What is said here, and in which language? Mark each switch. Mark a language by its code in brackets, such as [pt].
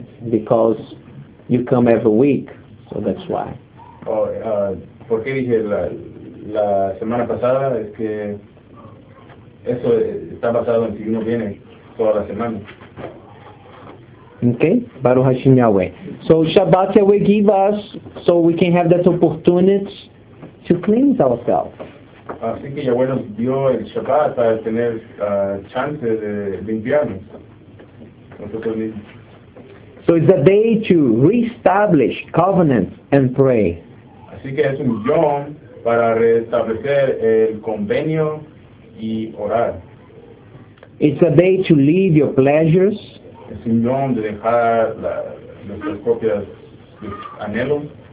[en] Because you come every week, so that's why. [es] ¿Por qué dije la semana pasada? Es que eso está basado en si uno viene toda la semana. [en] Okay, [he] Baruch Hashem Yahweh. [en] So Shabbat will give us, so we can have that opportunity to cleanse ourselves. [es] Así que Yahweh nos dio el Shabbat para tener chance de limpiarnos nosotros mismos. [en] So it's a day to reestablish covenant and pray. [es] Así que es un yom para restablecer el convenio y orar. [en] It's a day to leave your pleasures. [es] Es un yom de dejar nuestras propias anhelos.